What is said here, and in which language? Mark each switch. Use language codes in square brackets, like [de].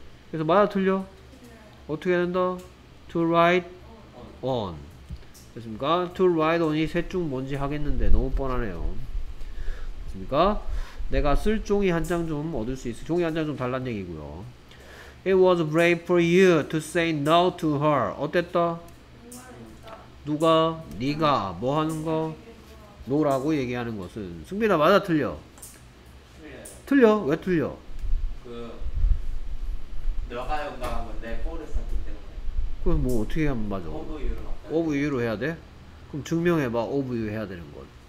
[ko] 그래서 맞아 틀려? 어떻게 해야 된다? [en] To write on. [ko] 됐습니까? [en] To write on [ko] 이 셋 중 뭔지 하겠는데 너무 뻔하네요. 됐습니까? 내가 쓸 종이 한 장 좀 얻을 수 있어. 종이 한 장 좀 달란 얘기고요. [en] It was brave for you to say no to her. [ko] 어땠다? 누가? 네가 뭐 하는 거? 노라고 얘기하는 것은 승빈아 맞아 틀려? 틀려요. 틀려? 왜 틀려? 그 너가 용감한 건데 포를 썼기 때문에. 그럼 뭐 어떻게 하면 맞아? 오브 유로. 오브 유로 해야 돼? 그럼 증명해봐. 오브 유 해야 되는 것.